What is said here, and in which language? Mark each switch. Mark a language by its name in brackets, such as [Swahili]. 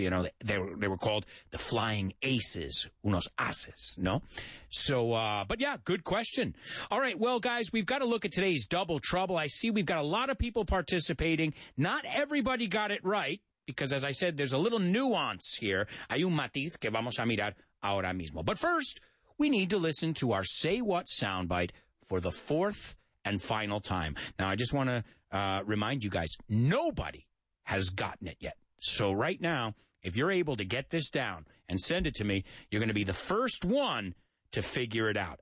[English] You know, they were called the Flying Aces, [Spanish] unos aces, no? [English] So, but yeah, good question. All right, well, guys, we've got to look at today's Double Trouble. I see we've got a lot of people participating. Not everybody got it right, because as I said, there's a little nuance here. [Spanish] Hay un matiz que vamos a mirar ahora mismo. [English] But first, we need to listen to our Say What soundbite for the fourth and final time. Now, I just want to remind you guys, nobody has gotten it yet. So right now, if you're able to get this down and send it to me, you're going to be the first one to figure it out.